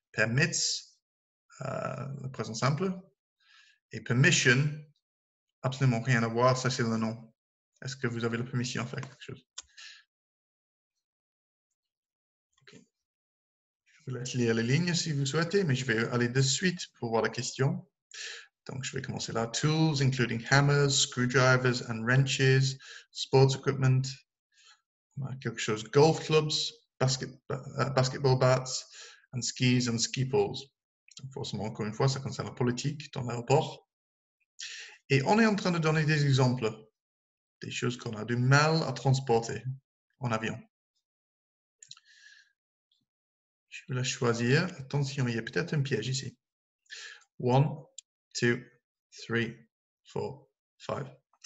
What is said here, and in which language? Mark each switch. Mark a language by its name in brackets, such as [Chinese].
[French] Permits, le présent simple. Et permission, Absolument rien à voir, ça c'est le nom. Est-ce que vous avez la permission de faire quelque chose? Je vous laisse lire les lignes si vous souhaitez, mais je vais aller de suite pour voir la question. Donc, je vais commencer là. [English] Tools, including hammers, screwdrivers and wrenches, sports equipment, [French] quelque chose, [English] golf clubs, basketball bats, and skis and ski poles. [French] Forcément, encore une fois, ça concerne la politique dans l'aéroport. Et on est en train de donner des exemples, des choses qu'on a du mal à transporter en avion. Je vais la choisir. Attention, il y a peut-être un piège ici. 1, 2, 3, 4, 5.